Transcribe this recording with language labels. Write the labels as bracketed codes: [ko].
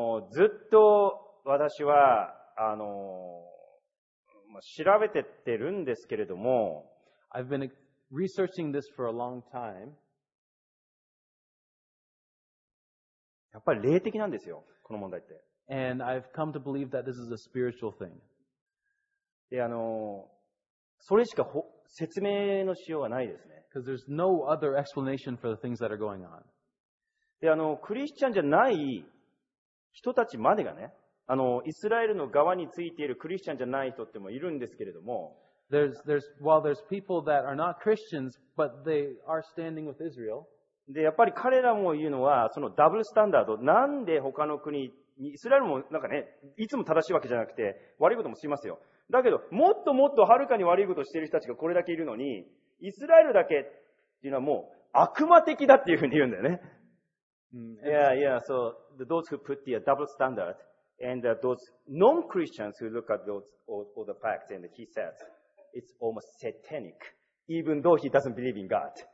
[ja] ずっと私は、調べてってるんですけれども、 [en] I've been researching this for a long time. [ja] やっぱり霊的なんですよ、この問題って。 [en] And I've come to believe that this is a spiritual thing. [ja] で、それしか説明のしようがないですね。 [en] Because there's no other explanation for the things that are going on. [ja] で、クリスチャンじゃない人たちまでがね、イスラエルの側についているクリスチャンじゃない人ってもいるんですけれども、 [en] there's people that are not Christians, but they are standing with Israel. [ja] で、やっぱり彼らも言うのは、そのダブルスタンダード。なんで他の国に、イスラエルもなんかね、いつも正しいわけじゃなくて、悪いこともしますよ。だけど、もっともっとはるかに悪いことをしている人たちがこれだけいるのに、イスラエルだけっていうのはもう悪魔的だっていうふうに言うんだよね。 [en] Yeah, yeah, so those who put the double standard and those non-Christians who look at those, all the facts and he says, it's almost satanic, even though he doesn't believe in God.